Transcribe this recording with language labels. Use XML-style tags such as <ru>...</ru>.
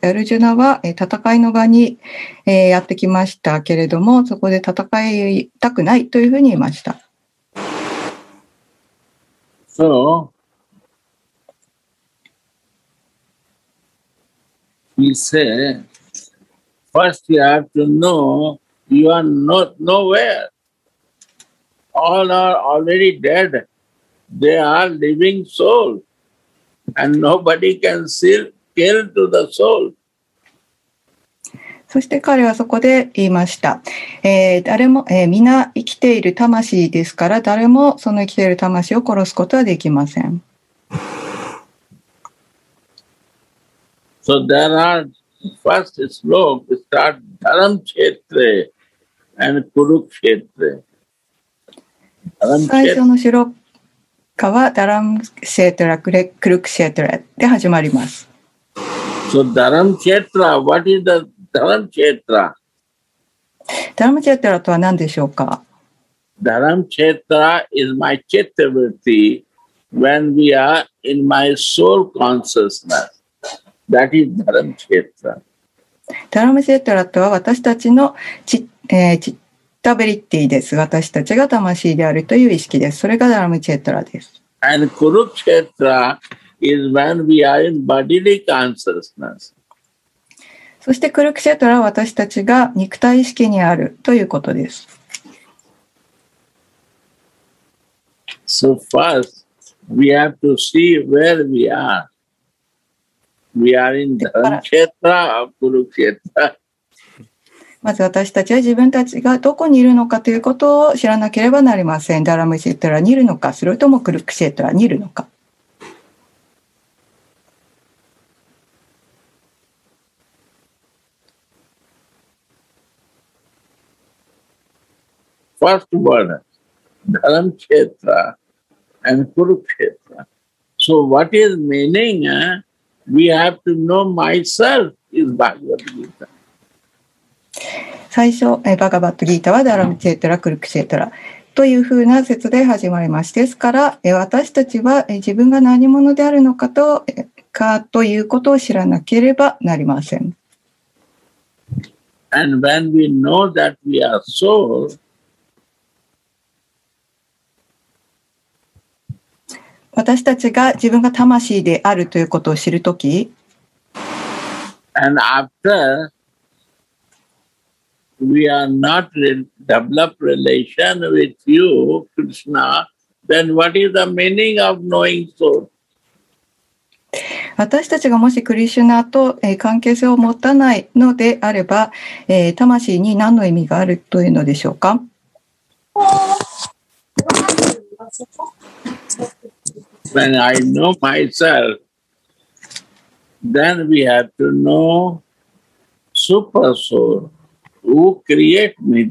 <ja>アルジュナは、戦いの場に、やってきましたけれども、そこで戦いたくないというふうに言いました。</ja> <en>So,He said, first you have to know you are not nowhere. All are already dead. They are living soul. And nobody can kill to the soul.</en> <ja>そして彼はそこで言いました。誰も、みんな生きている魂ですから、誰もその生きている魂を殺すことはできません。</ja> <en>So there are first slokes start Dharam Kshetra and Kurukshetra.</en> <ja>最初の主録歌は Dharam Kshetra、Kurukshetra で始まります。</ja> <en>So Dharam Kshetra, what is the Dharam Kshetra?</en> <ja>Dharam Kshetra とは何でしょうか?</ja> <en>Dharam Kshetra is my Chittavritti when we are in my soul consciousness. That is Dharam Kshetra.</en> <ja>Dharam Kshetra とは私たちのチッタブリッティです。私たちが魂であるという意識です。それがダラムチェトラです。</ja> <en>And Kurukshetra is when we are in bodily consciousness.</en> <ja>そしてクルクシェトラは私たちが肉体意識にあるということです。</ja> <en>So first, we have to see where we are. We are in the Kshetra of Kurukshetra.</en> <ja>まず私たちは自分たちがどこにいるのかということを知らなければなりません。ダラムシェトラにいるのか、それともクルクシェトラにいるのか。</ja> <en>First one, Dharam Kshetra and Kurukshetra. So what is meaning? We have to know myself is Bhagavad Gita.</en> <ja>最初、バガバットギータはダラムチェトラ、クルクシェトラというふうな説で始まりまして、ですから私たちは自分が何者であるのかと、かということを知らなければなりません。</ja> <en>And when we know that we are soul,</en> <ja>私たちが自分が魂であるということを知るとき、</ja> <en>And after we are not developed relation with you, Krishna, then what is the meaning of knowing soul?</en> <ja>私たちがもしクリシュナと関係性を持たないのであれば、魂に何の意味があるというのでしょうか。</ja> <en>When I know myself, then we have to know super soul who create me.</en>